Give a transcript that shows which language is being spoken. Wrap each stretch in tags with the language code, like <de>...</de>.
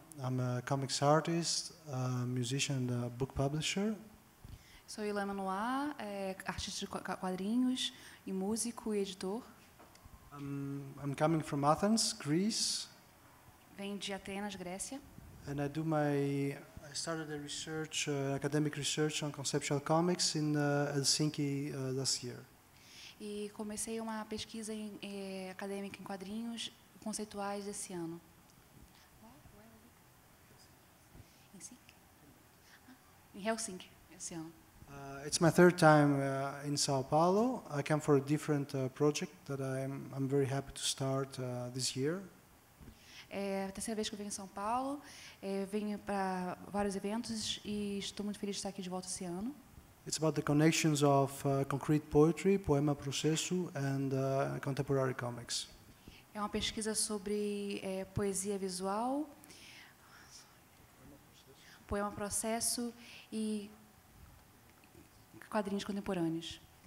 <en>I'm a comics artist, a musician, and a book publisher.</en> <pt>Sou Ilan Manoá, artista de quadrinhos e músico e editor.</pt> <en>I'm coming from Athens, Greece.</en> <pt>Venho de Atenas, Grécia.</pt> <en>And I started a research, academic research on conceptual comics in Helsinki last year.</en> <pt>E comecei uma pesquisa acadêmica em quadrinhos conceituais esse ano. Em Helsinki, esse ano.</pt> <en>It's my third time in São Paulo. I come for a different project that I'm very happy to start this year.</en> <pt>É a terceira vez que eu venho em São Paulo. Venho para vários eventos e estou muito feliz de estar aqui de volta esse ano.</pt> <en>It's about the connections of concrete poetry, poema processo, and contemporary comics.</en> <pt>É uma pesquisa sobre poesia visual. Poema processo e quadrinhos contemporâneos.</pt>